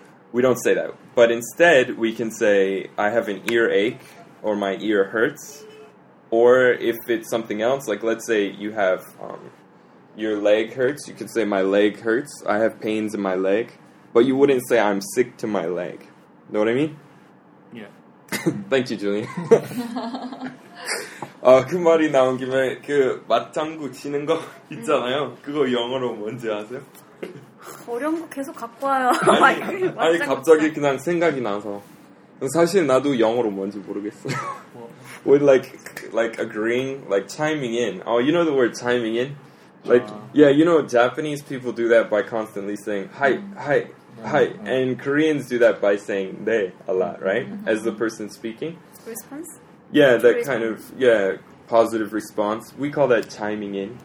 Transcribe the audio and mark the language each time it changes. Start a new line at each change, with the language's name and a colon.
English: We don't say that. But instead, we can say I have an earache or my ear hurts, or if it's something else, like let's say you have your leg hurts, you could say my leg hurts, I have pains in my leg, but you wouldn't say I'm sick to my leg. Know what I mean? Yeah. Thank you, Julian.
Korean: 아, 그 말이 나온 김에 그 맞장구 치는 거 있잖아요. 그거 영어로 뭔지 아세요? 어려운 거 계속 갖고 와요. 아니 갑자기 그냥 생각이 나서. 사실 나도 영어로 뭔지 모르겠어요.
English: With like agreeing, like chiming in. Oh, you know the word chiming in? Like, yeah, you know Japanese people do that by constantly saying hi, hi, hi. And Koreans do that by saying 네 a lot, right? As the person speaking. Response? Yeah, that kind of, yeah, positive response. We call that chiming in.